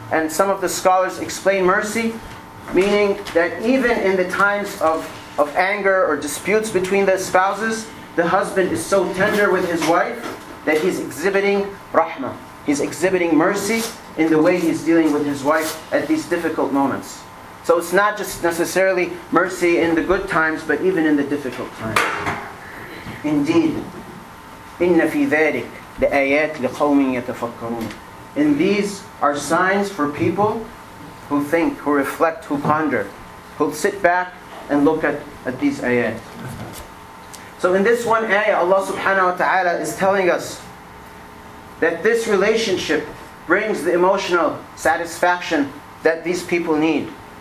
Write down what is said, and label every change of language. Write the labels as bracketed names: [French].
[English] And some of the scholars explain mercy, meaning that even in the times of anger or disputes between the spouses, the husband is so tender with his wife that he's exhibiting rahmah. He's exhibiting mercy in the way he's dealing with his wife at these difficult moments. So it's not just necessarily mercy in the good times, but even in the difficult times. Indeed, [Arabic] إِنَّ فِي ذَلِكَ لَآيَاتٍ لِقَوْمٍ يَتَفَكَّرُونَ. [English] And these are signs for people who think, who reflect, who ponder, who sit back and look at these ayat. So in this one ayah, Allah subhanahu wa ta'ala is telling us that this relationship brings the emotional satisfaction that these people need.